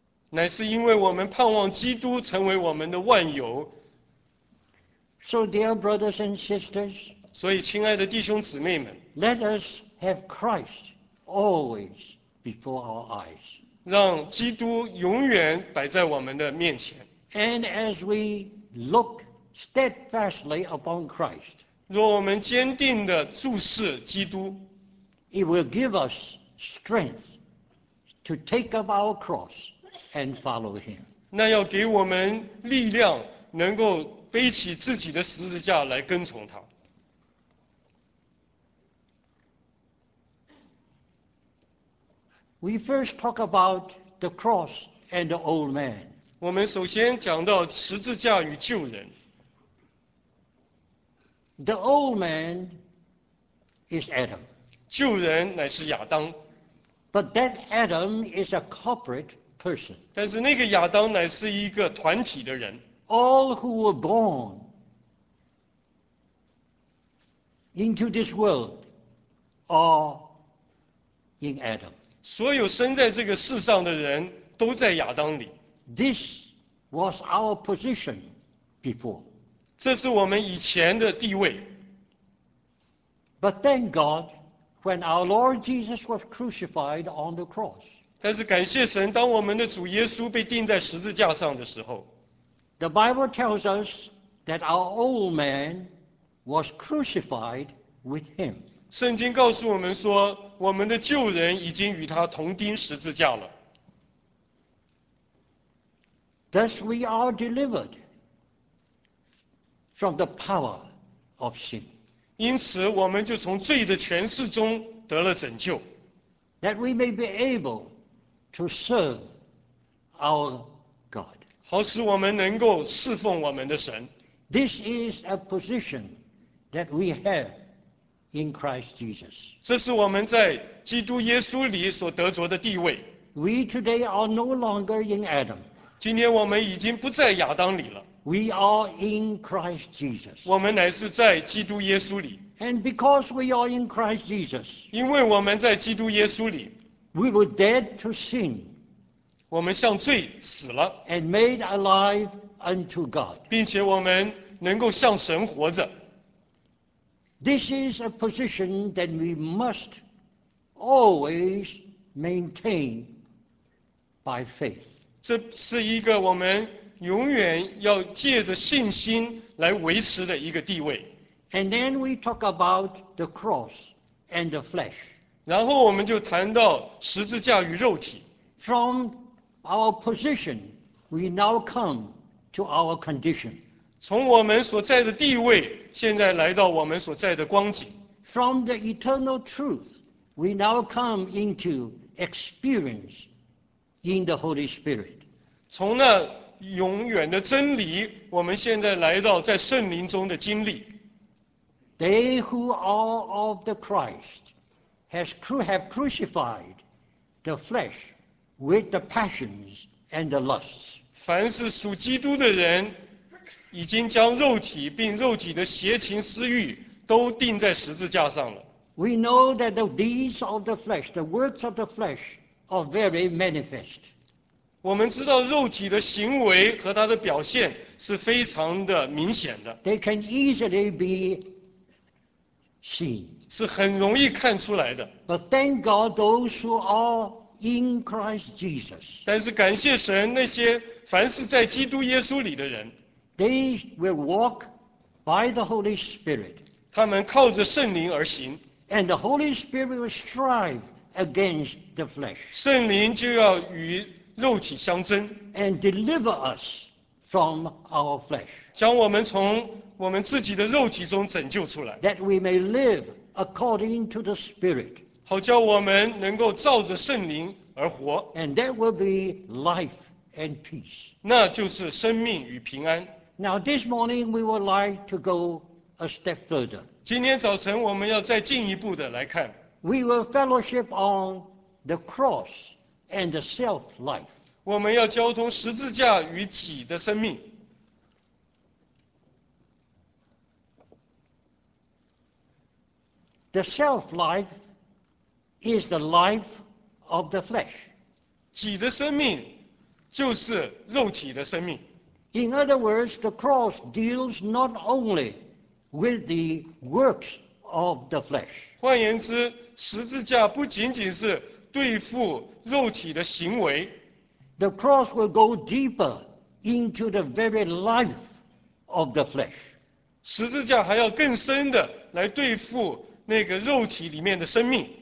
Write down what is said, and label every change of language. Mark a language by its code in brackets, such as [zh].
[zh] 乃是因为我们盼望基督成为我们的万有。 [en] So, dear brothers and sisters, [zh] 所以亲爱的弟兄姊妹们 [en] ，Let us have Christ always before our eyes. [zh] 让基督永远摆在我们的面前。 [en] And as we look steadfastly upon Christ, [zh] 若我们坚定地注视基督 [en] ，It will give us strength to take up our cross. And follow him. [zh] 那要给我们力量，能够背起自己的十字架来跟从他。 [en] We first talk about the cross and the old man. [zh] 我们首先讲到十字架与旧人。 [en] The old man is Adam. [zh] 旧人乃是亚当。 [en] But that Adam is a corporate. Person. [zh] 但是那个亚当乃是一个团体的人。 [en] All who were born into this world are in Adam. [zh] 所有生在这个世上的人都在亚当里。 [en] This was our position before. [zh] 这是我们以前的地位。 [en] But thank God, when our Lord Jesus was crucified on the cross. [zh] 但是感谢神，当我们的主耶稣被钉在十字架上的时候 [en] ，The Bible tells us that our old man was crucified with him. [zh] 圣经告诉我们说，我们的旧人已经与他同钉十字架了。 [en] Thus we are delivered from the power of sin. [zh] 因此我们就从罪的权势中得了拯救。 [en] That we may be able to serve our God. [zh] 好使我们能够侍奉我们的神。 [en] This is a position that we have in Christ Jesus. [zh] 这是我们在基督耶稣里所得着的地位。 [en] We today are no longer in Adam. [zh] 今天我们已经不在亚当里了。 [en] We are in Christ Jesus. [zh] 我们乃是在基督耶稣里。 [en] And because we are in Christ Jesus, [zh] 因为我们在基督耶稣里， [en] we were dead to sin. [zh] 我们向罪死了。 [en] And made alive unto God. [zh] 并且我们能够向神活着。 [en] This is a position that we must always maintain by faith. [zh] 这是一个我们永远要借着信心来维持的一个地位。 [en] And then we talk about the cross and the flesh. [zh] 然后我们就谈到十字架与肉体。 [en] From our position, we now come to our condition. [zh] 从我们所在的地位，现在来到我们所在的光景。 [en] From the eternal truth, we now come into experience in the Holy Spirit. [zh] 从那永远的真理，我们现在来到在圣灵中的经历。 [en] They who are of the Christ have crucified the flesh with the passions and the lusts. [zh] 凡是属基督的人，已经将肉体并肉体的邪情私欲都钉在十字架上了。 [en] We know that the deeds of the flesh, the works of the flesh, are very manifest. [zh] 我们知道肉体的行为和它的表现是非常的明显的。 [en] They can easily be seen. [zh] 是很容易看出来的。 [en] But thank God those who are in Christ Jesus. [zh] 但是感谢神，那些凡是在基督耶稣里的人。 [en] They will walk by the Holy Spirit. [zh] 他们靠着圣灵而行。 [en] And the Holy Spirit will strive against the flesh. [zh] 圣灵就要与肉体相争。 [en] And deliver us from our flesh. [zh] 将我们从我们自己的肉体中拯救出来。 [en] That we may live according to the Spirit. [zh] 好叫我们能够照着圣灵而活。 [en] And that will be life. And peace. [zh] 那就是生命与平安。 [en] Now this morning we would like to go a step further. [zh] 今天早晨我们要再进一步的来看。 [en] We will fellowship on the cross and the self life. [zh] 我们要交通十字架与己的生命。 [en] The self life is the life of the flesh. [zh] 己的生命。就是肉体的生命。 [en] In other words, the cross deals not only with the works of the flesh. [zh] 换言之，十字架不仅仅是对付肉体的行为。 [en] The cross will go deeper into the very life of the flesh. [zh] 十字架还要更深的来对付那个肉体里面的生命。